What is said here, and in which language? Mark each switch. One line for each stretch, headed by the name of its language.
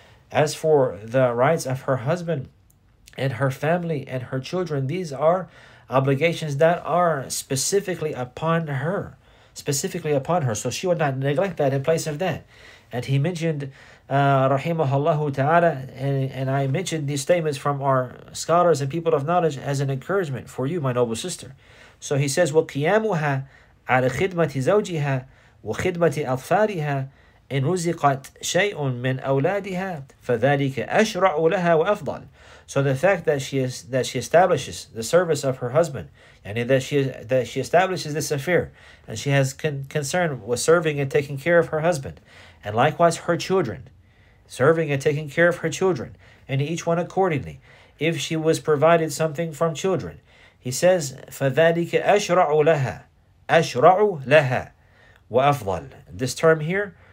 English: As for the rights of her husband and her family and her children, these are obligations that are specifically upon her. So she would not neglect that in place of that. And he mentioned, rahimahullahu ta'ala, and I mentioned these statements from our scholars and people of knowledge as an encouragement for you, my noble sister. So he says,
Arabic: وَقِيَامُهَا عَلَى خِدْمَةِ زَوْجِهَا وَخِدْمَةِ أَطْفَالِهَا إِنْ رُزِقَتْ شَيْءٌ مِّنْ أَوْلَادِهَا فَذَلِكَ أَشْرَعُ لَهَا وَأَفْضَلُ.
English: So the fact that she establishes the service of her husband, and that she establishes this affair, and she has concern with serving and taking care of her husband, and likewise her children, serving and taking care of her children, and each one accordingly, if she was provided something from children, he says,
Arabic: فَذَلِكَ أَشْرَعُ لَهَا أَشْرَعُ لَهَا وَأَفْضَلُ.